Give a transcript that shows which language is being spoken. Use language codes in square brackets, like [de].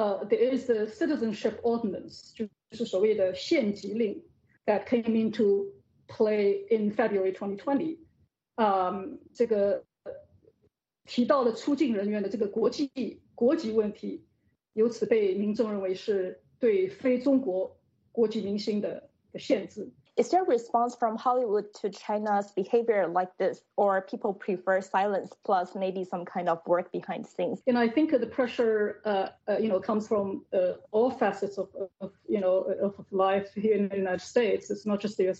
[en] There is a citizenship ordinance, [zh] 就是所谓的限籍令 [en] that came into play in February 2020. [zh] 这个提到了出境人员的这个国籍问题，由此被民众认为是对非中国国籍明星的限制。 [en] Is there a response from Hollywood to China's behavior like this, or people prefer silence plus maybe some kind of work behind scenes? And I think the pressure, you know, comes from all facets of life here in the United States. It's not just the U.S.